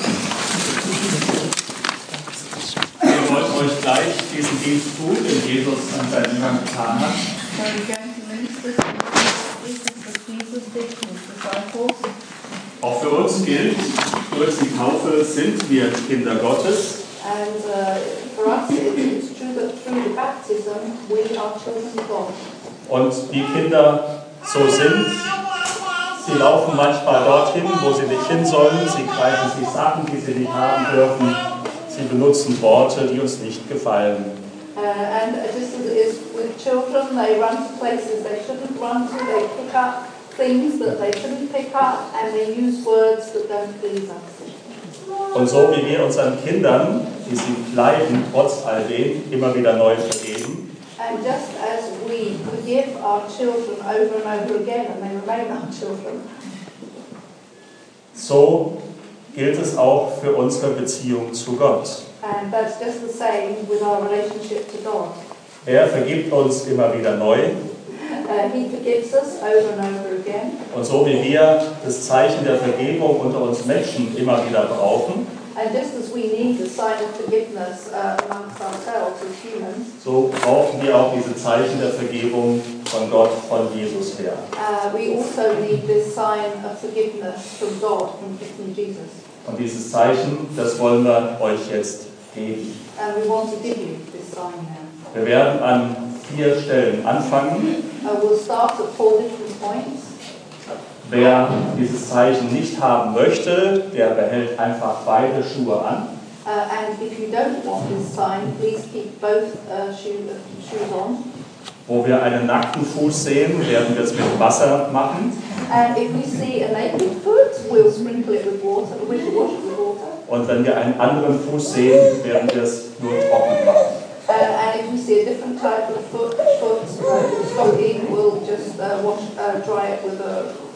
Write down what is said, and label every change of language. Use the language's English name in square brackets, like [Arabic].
[English] Please sit down. [German] Wir wollen euch gleich diesen Dienst tun, den Jesus an seinen Jüngern getan hat. Auch für uns gilt, durch die Taufe sind wir Kinder Gottes. [English] And for us it is true that through the baptism we are chosen God. [German] Und die Kinder so sind, sie laufen manchmal dorthin, wo sie nicht hin sollen, sie greifen sich Sachen, die sie nicht haben dürfen, sie benutzen Worte, die uns nicht gefallen. [English] And just as it is with children, they run to places they shouldn't run to, they pick up things that they shouldn't pick up, and they use words that don't please us. [German] Und so wie wir unseren Kindern, die sie bleiben, trotz all dem, immer wieder neu vergeben, [English] and just as we forgive our children over and over again, and they remain our children. [German] So gilt es auch für unsere Beziehung zu Gott. [English] And that's just the same with our relationship to God. [German] Er vergibt uns immer wieder neu. [English] He forgives us over and over again. [German] Und so wie wir das Zeichen der Vergebung unter uns Menschen immer wieder brauchen. [English] And just as we need the sign of forgiveness amongst ourselves as humans, [German] so brauchen wir auch diese Zeichen der Vergebung von Gott, von Jesus her. [English] We also need this sign of forgiveness from God, from Jesus. [German] Und dieses Zeichen, das wollen wir euch jetzt geben. [English] And we want to give you this sign now. [German] Wir werden an vier Stellen anfangen. [English] We'll start at four different points. [German] Wer dieses Zeichen nicht haben möchte, der behält einfach beide Schuhe an. [English] And if you don't want this sign, please keep both shoes on. [German] Wo wir einen nackten Fuß sehen, werden wir es mit Wasser machen. [English] And if we see a naked foot, we'll sprinkle it with water. We'll wash it with water. [German] Und wenn wir einen anderen Fuß sehen, werden wir es nur trocken machen. [English] And if we see a different type of foot stocking, we'll just dry it with a...